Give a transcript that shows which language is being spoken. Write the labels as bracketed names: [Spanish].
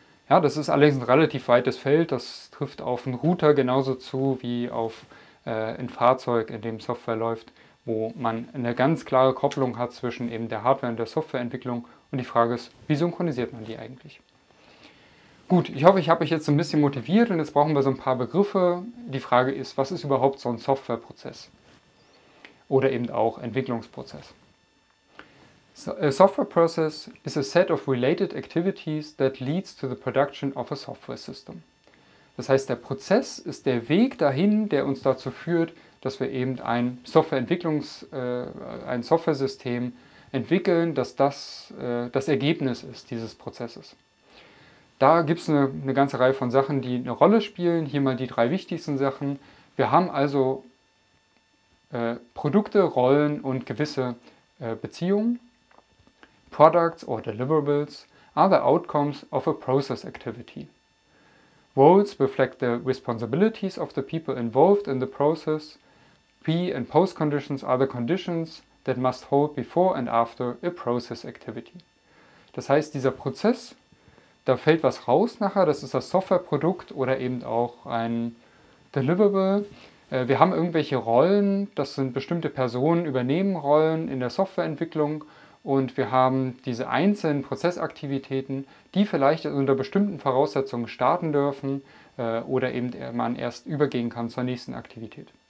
[German] Ja, das ist allerdings ein relativ weites Feld. Das trifft auf einen Router genauso zu wie auf ein Fahrzeug, in dem Software läuft, wo man eine ganz klare Kopplung hat zwischen eben der Hardware und der Softwareentwicklung. Und die Frage ist, wie synchronisiert man die eigentlich? Gut, ich hoffe, ich habe euch jetzt ein bisschen motiviert und jetzt brauchen wir so ein paar Begriffe. Die Frage ist, was ist überhaupt so ein Softwareprozess? Oder eben auch Entwicklungsprozess? [English] A software process is a set of related activities that leads to the production of a software system. [German] Das heißt, der Prozess ist der Weg dahin, der uns dazu führt, dass wir eben ein Software-System entwickeln, dass das Ergebnis ist dieses Prozesses. Da gibt es eine ganze Reihe von Sachen, die eine Rolle spielen. Hier mal die drei wichtigsten Sachen. Wir haben also Produkte, Rollen und gewisse Beziehungen. [English] Products or deliverables are the outcomes of a process activity. Roles reflect the responsibilities of the people involved in the process. Pre- and post-conditions are the conditions that must hold before and after a process activity. [German] Das heißt, dieser Prozess, da fällt was raus nachher, das ist das Softwareprodukt oder eben auch ein Deliverable. Wir haben irgendwelche Rollen, das sind bestimmte Personen, übernehmen Rollen in der Softwareentwicklung. Und wir haben diese einzelnen Prozessaktivitäten, die vielleicht unter bestimmten Voraussetzungen starten dürfen, oder eben man erst übergehen kann zur nächsten Aktivität.